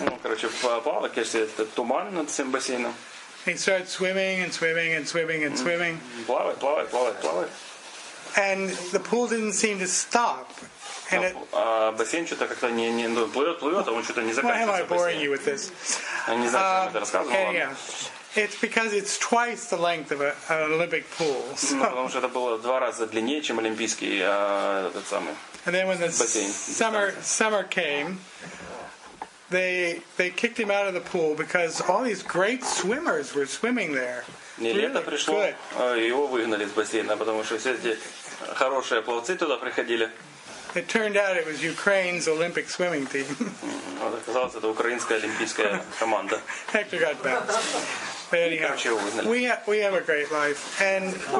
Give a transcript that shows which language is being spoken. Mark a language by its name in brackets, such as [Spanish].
[Russian] Ну, короче, плавал, конечно, это туман над всем бассейном. [English] He started swimming and swimming and swimming and swimming. [Russian] Плавает, плавает, плавает, плавает. [English] And the pool didn't seem to stop. And [Russian] it, бассейн что-то как-то не плывет, плывет, а он что-то не заканчивается. [English] Why am I boring you with this? [Russian] Не знаю, что это рассказывал. [English] Okay, yeah. It's because it's twice the length of an Olympic pool. [Russian] Потому что это было два раза длиннее, чем олимпийский этот самый. [English] And then when the summer came, they kicked him out of the pool because all these great swimmers were swimming there. [Russian] Не лето пришло, его выгнали из бассейна, потому что все эти хорошие пловцы туда приходили. [English] It turned out it was Ukraine's Olympic swimming team. [Russian] Оказалось, это украинская олимпийская команда. [English] Hector got bounced. But anyhow, we have a great life, and